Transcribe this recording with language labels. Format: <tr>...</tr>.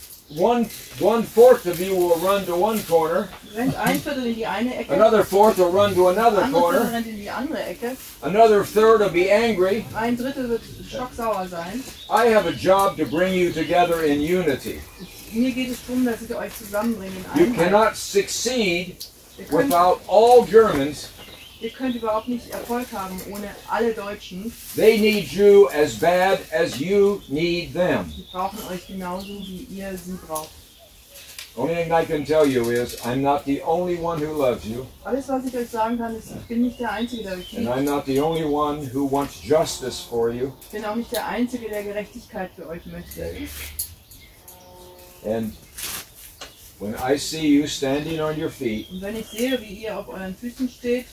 <en>one fourth of you will run to one corner,</en> <de>rennt ein Viertel in die eine Ecke,</de> <en>another fourth will run to another corner,</en> <de>rennt in die andere Ecke,</de> <en>another third will be angry,</en> <de>ein Drittel wird schocksauer sein.</de> <en>I have a job to bring you together in unity.</en> <de>Mir geht es darum, dass ich euch zusammenbringe.</de> <en>You cannot succeed without all Germans.</en> <de>Ihr könnt überhaupt nicht Erfolg haben ohne alle Deutschen.</de> <en>They need you as bad as you need them.</en> <de>Sie brauchen euch genauso, wie ihr sie braucht.</de> <en>Only thing I can tell you is, I'm not the only one who loves you.</en> <de>Alles, was ich euch sagen kann, ist, ich bin nicht der Einzige, der euch liebt.</de> <en>And I'm not the only one who wants justice for you.</en> <de>Ich bin auch nicht der Einzige, der Gerechtigkeit für euch möchte.</de> <en>And when I see you standing on your feet,</en> <de>und wenn ich sehe, wie ihr auf euren Füßen steht,</de>